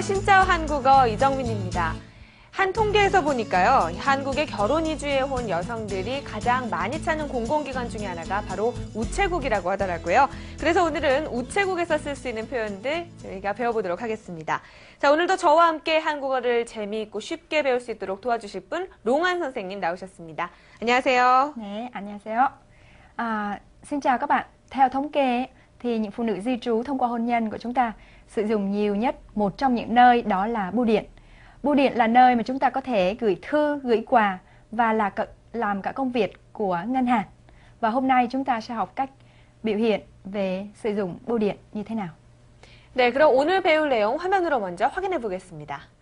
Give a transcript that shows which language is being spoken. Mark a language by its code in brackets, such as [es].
[ko] 신짜오 한국어 이정민입니다. 한 통계에서 보니까요, 한국의 결혼 이주에 온 여성들이 가장 많이 찾는 공공기관 중에 하나가 바로 우체국이라고 하더라고요. 그래서 오늘은 우체국에서 쓸 수 있는 표현들 저희가 배워보도록 하겠습니다. 자, 오늘도 저와 함께 한국어를 재미있고 쉽게 배울 수 있도록 도와주실 분 롱한 선생님 나오셨습니다. 안녕하세요. 네, 안녕하세요. [vi] 아, xin chào các bạn. Theo thống kê thì những phụ nữ di trú thông qua hôn nhân của chúng ta sử dụng nhiều nhất một trong những nơi đó là bưu điện. Bưu điện là nơi mà chúng ta có thể gửi thư, gửi quà và là làm cả công việc của ngân hàng. Và hôm nay chúng ta sẽ học cách biểu hiện về sử dụng bưu điện như thế nào. [ko] 네, 그럼 오늘 배울 내용 화면으로 먼저 확인해 보겠습니다.